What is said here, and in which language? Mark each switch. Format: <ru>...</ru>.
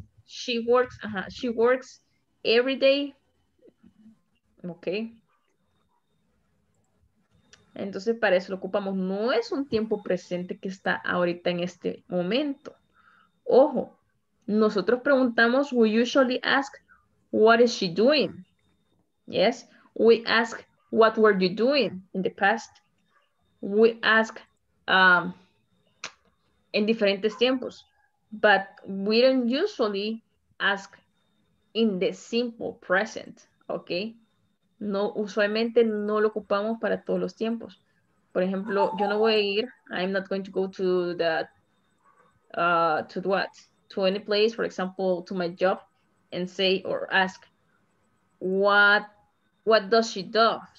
<en>She works, she works every day. Okay.</en> <es>Entonces para eso lo ocupamos, no es un tiempo presente que está ahorita en este momento. Ojo, nosotros preguntamos,</es> <en>we usually ask, What is she doing? Yes, we ask, what were you doing in the past? We ask in</en> <es>diferentes tiempos,</es> <en>but we don't usually ask in the simple present, okay?</en> <es>No, usualmente no lo ocupamos para todos los tiempos. Por ejemplo, yo no voy a ir,</es> <en>I'm not going to go to that, to what? To any place, for example, to my job, and say or ask, what does she do?</en>